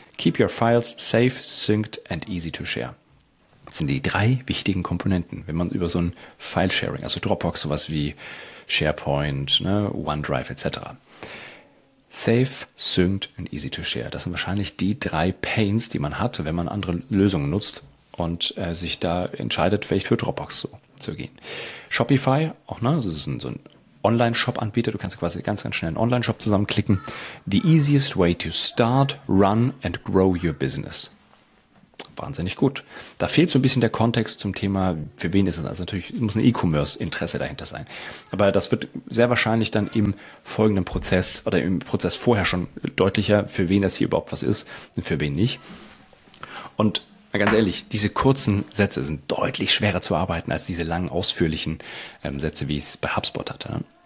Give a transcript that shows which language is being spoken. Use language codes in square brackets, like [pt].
[en] Keep your files safe, synced and easy to share. [de] Das sind die drei wichtigen Komponenten, wenn man über so ein File-Sharing, also Dropbox, sowas wie SharePoint, ne, OneDrive etc. [en] Safe, synced and easy to share. [de] Das sind wahrscheinlich die drei Pains, die man hat, wenn man andere Lösungen nutzt und sich da entscheidet, vielleicht für Dropbox so zu gehen. Shopify, auch, ne, das ist so ein Online-Shop-Anbieter, du kannst quasi ganz, ganz schnell einen Online-Shop zusammenklicken. [en] The easiest way to start, run and grow your business. [de] Wahnsinnig gut. Da fehlt so ein bisschen der Kontext zum Thema, für wen ist es? Also natürlich muss ein E-Commerce-Interesse dahinter sein. Aber das wird sehr wahrscheinlich dann im folgenden Prozess oder im Prozess vorher schon deutlicher, für wen das hier überhaupt was ist und für wen nicht. Und ganz ehrlich, diese kurzen Sätze sind deutlich schwerer zu arbeiten als diese langen, ausführlichen Sätze, wie ich es bei HubSpot hatte.